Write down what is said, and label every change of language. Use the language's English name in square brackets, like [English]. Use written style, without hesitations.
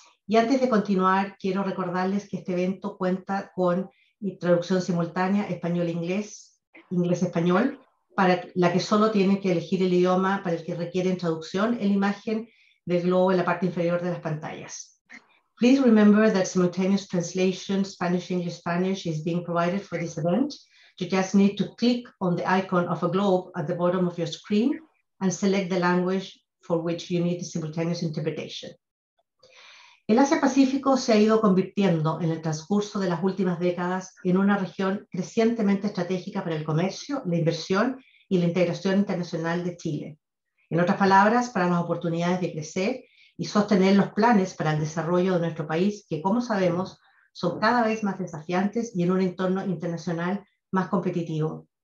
[Spanish] Y antes de continuar, quiero recordarles que este evento cuenta con traducción simultánea español-inglés, inglés-español, para la que solo tienen que elegir el idioma para el que requieren traducción en la imagen del globo en la parte inferior de las pantallas. [English] Please remember that simultaneous translation, Spanish, English, Spanish, is being provided for this event. You just need to click on the icon of a globe at the bottom of your screen and select the language for which you need the simultaneous interpretation. [Spanish] El Asia-Pacífico se ha ido convirtiendo en el transcurso de las últimas décadas en una región crecientemente estratégica para el comercio, la inversión y la integración internacional de Chile. En otras palabras, para las oportunidades de crecer y sostener los planes para el desarrollo de nuestro país, que como sabemos, son cada vez más desafiantes y en un entorno internacional más competitivo.